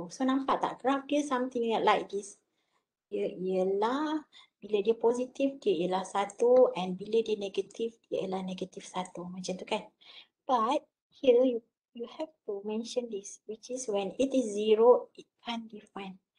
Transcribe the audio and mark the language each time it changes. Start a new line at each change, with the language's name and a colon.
Malay: So nampak tak graph dia
English: something like this.
Malay: Dia ialah bila dia positif dia ialah 1 and bila dia negatif dia ialah negatif 1. Macam tu kan.
English: But here you have to mention this, which is when it is 0, it can't define.